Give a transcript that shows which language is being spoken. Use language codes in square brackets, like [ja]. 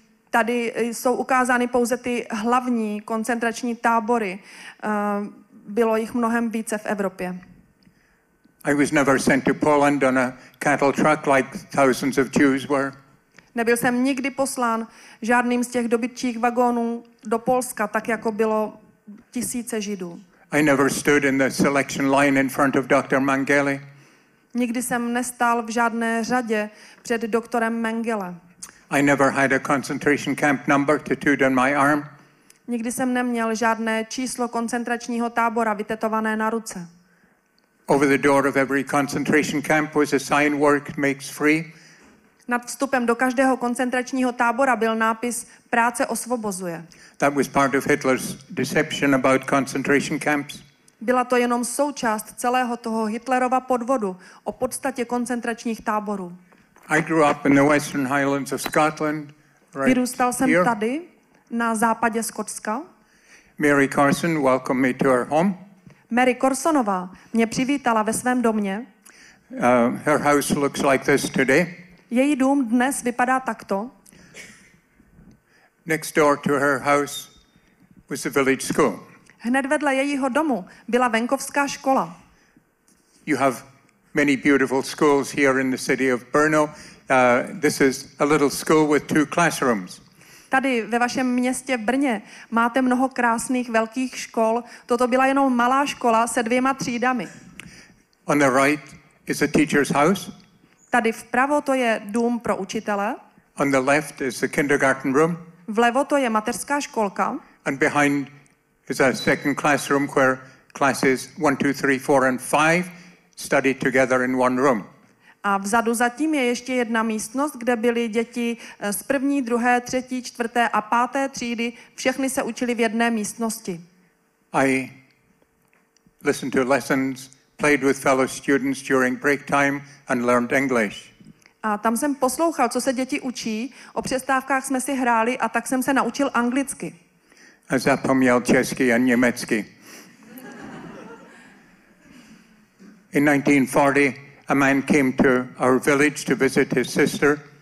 [cs] Tady jsou ukázány pouze ty hlavní koncentrační tábory. Bylo jich mnohem více v Evropě. [en] I was never sent to Poland on a cattle truck like thousands of Jews were. [cs] Nebyl jsem nikdy poslán žádným z těch dobytčích vagónů do Polska, tak jako bylo tisíce Židů. [en] I never stood in the selection line in front of Dr. Mengele. [cs] Nikdy jsem nestál v žádné řadě před doktorem Mengele. [en] I never had a concentration camp number tattooed on my arm. [cs] Nikdy jsem neměl žádné číslo koncentračního tábora vytetované na ruce. [en] Over the door of every concentration camp was a sign, work makes free. [cs] Nad vstupem do každého koncentračního tábora byl nápis Práce osvobozuje. [en] That was part of Hitler's deception about concentration camps. [cs] Byla to jenom součást celého toho Hitlerova podvodu o podstatě koncentračních táborů. [en] I grew up in the Western Highlands of Scotland, right. [cs] Vyrůstal jsem [en] here. [cs] Tady na západě Skotska. [en] Mary Carson welcomed me to her home. [cs] Mary Carsonová mě přivítala ve svém domě. [en] Her house looks like this today. [cs] Její dům dnes vypadá takto. [en] Next door to her house was the village school. [cs] Hned vedle jejího domu byla venkovská škola. [en] You have many beautiful schools here in the city of Brno. This is a little school with two classrooms. [cs] Tady ve vašem městě Brně máte mnoho krásných velkých škol. Toto byla jenom malá škola se dvěma třídami. [en] On the right is a teacher's house. [cs] Tady vpravo to je dům pro učitele. [en] On the left is the kindergarten room. [cs] Vlevo to je mateřská školka. [en] And behind is a second classroom where classes 1, 2, 3, 4 and 5 study together in one room. [cs] A vzadu zatím je ještě jedna místnost, kde byly děti z první, druhé, třetí, čtvrté a páté třídy. Všechny se učili v jedné místnosti. [en] I listened to lessons, played with fellow students during break time and learned English. [cs] A tam jsem poslouchal, co se děti učí. O přestávkách jsme si hráli a tak jsem se naučil anglicky. A zapomněl česky a německy. [en] In 1940, a man came to our village to visit his sister.